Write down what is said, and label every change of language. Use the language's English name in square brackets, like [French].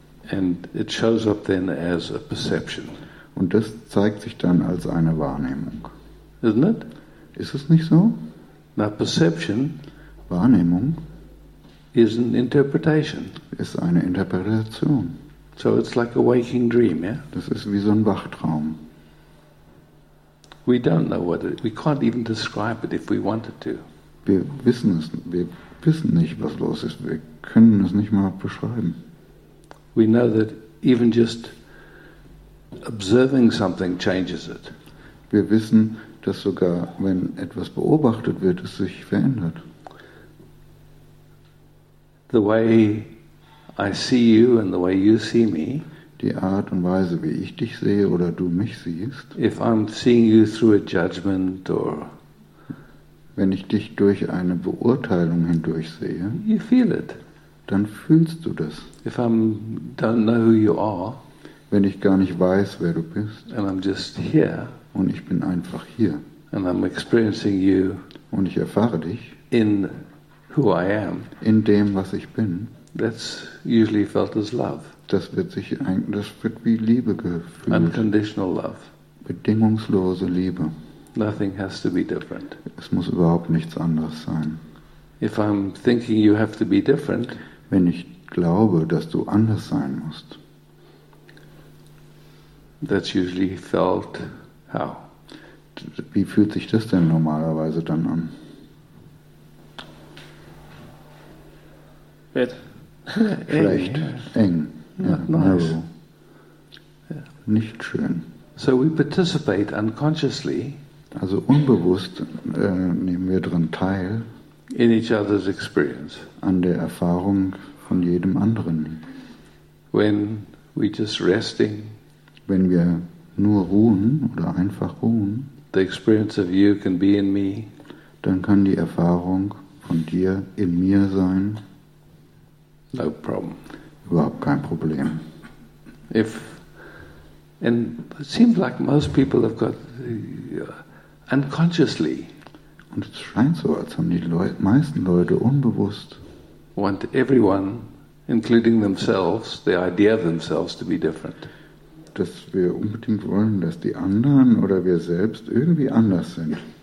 [English] And it shows up then as a perception. [German] Und das zeigt sich dann als eine Wahrnehmung. [English] Isn't it? [German] Ist es nicht so? [English] Now perception, [German] Wahrnehmung, [English] is an interpretation. [German] Ist eine Interpretation. [English] So it's like a waking dream, yeah? [German] Das ist wie so ein Wachtraum. [English] We don't know what it, we can't even describe it if we wanted to. [German] Wir wissen nicht, was los ist. Wir können es nicht mal beschreiben. [English] We know that even just observing something changes it. [German] Wir wissen, dass sogar wenn etwas beobachtet wird, es sich verändert. [English] The way I see you and the way you see me. [German] Die Art und Weise, wie ich dich sehe oder du mich siehst. [English] If I'm seeing you through a judgment or [German] wenn ich dich durch eine Beurteilung hindurch sehe, [English] you feel it. [German] Dann fühlst du das. [English] If I don't know who you are, [German] wenn ich gar nicht weiß, wer du bist, [English] and I'm just here, [German] und ich bin einfach hier, [English] and I'm experiencing you, [German] und ich erfahre dich [English] in who I am, [German] in dem, was ich bin, [English] that's usually felt as love. [German] Das wird wie Liebe gefühlt. [English] Unconditional love. [German] Bedingungslose Liebe. [English] Nothing has to be different. [German] Es muss überhaupt nichts anderes sein. [English] If I'm thinking you have to be different, [German] wenn ich glaube, dass du anders sein musst, [English] that's usually felt how? [German] Wie fühlt sich das denn normalerweise dann an? [English] Bad. [German] Schlecht, eng. [English] Not [German] ja, [English] nice. Narrow. Yeah. [German] Nicht schön. [English] So we participate unconsciously. [German] Also unbewusst nehmen wir daran teil. [English] In each other's experience. [German] An der Erfahrung von jedem anderen. [English] When we just resting. [German] Wenn wir nur ruhen oder einfach ruhen. [English] The experience of you can be in me. [German] Dann kann die Erfahrung von dir in mir sein. [English] No problem. [German] Überhaupt kein Problem. [English] If and it seems like most people have got unconsciously. [German] Und es scheint so, als haben die meisten Leute unbewusst [English] want everyone, including themselves, the idea of themselves to be different. [German] Dass wir unbedingt wollen, dass die anderen oder wir selbst irgendwie anders sind.